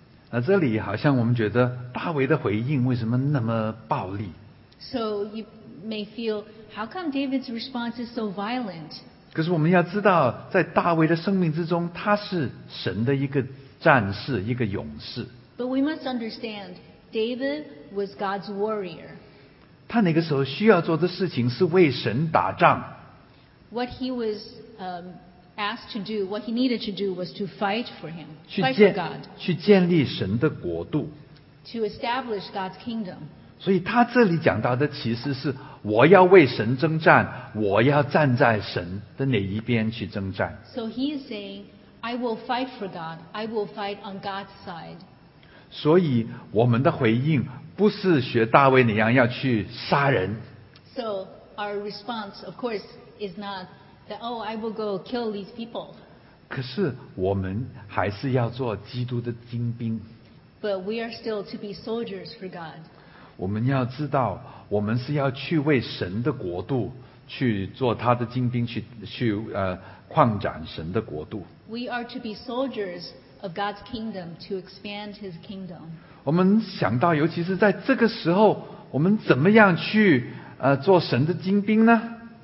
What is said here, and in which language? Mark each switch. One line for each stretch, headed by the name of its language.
Chinese: 那这里好像我们觉得大卫的回应为什么那么暴力
English: ？So you may feel, how come David's response is so violent?
Chinese: 可是我们要知道，在大卫的生命之中，他是神的一个战士，一个勇士。
English: But we must understand, David was God's warrior.
Chinese: 他那个时候需要做的事情是为神打仗。
English: What he was, asked to do, what he needed to do was to fight for him, fight for God.
Chinese: 去建立神的国度。
English: To establish God's kingdom.
Chinese: 所以他这里讲到的其实是我要为神征战，我要站在神的哪一边去征战。
English: So he is saying, I will fight for God, I will fight on God's side.
Chinese: 所以我们的回应不是学大卫那样要去杀人。
English: So our response, of course, is not,Oh, I will go kill these people.
Chinese: 可是我们还是要做基督的精兵。
English: But we are still to be soldiers for God.
Chinese: 我们要知道，我们是要去为神的国度去做他的精兵，扩展神的国度。
English: We are to be soldiers of God's kingdom to expand His kingdom.
Chinese: 我们想到，尤其是在这个时候，我们怎么样去做神的精兵呢？